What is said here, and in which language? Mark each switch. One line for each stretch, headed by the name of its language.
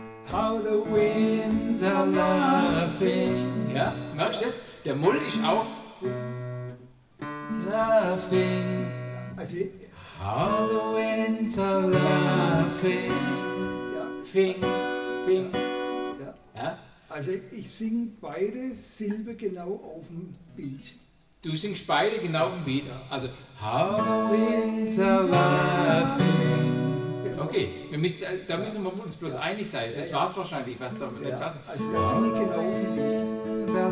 English: how the winds are laughing.
German: Ja, merkst du das? Der Moll ist auch
English: laughing. Also, how the winds are laughing.
German: Ja. Fing, fing. Ja. Also ich singe beide Silben genau auf dem Beat. Du singst beide genau auf dem Beat? Ja.
English: Also, how winter laughing.
German: Okay, wir müssen, da müssen wir uns bloß einig sein. Das war es wahrscheinlich, was da mit dem passt. Also das singe ich genau auf dem Beat.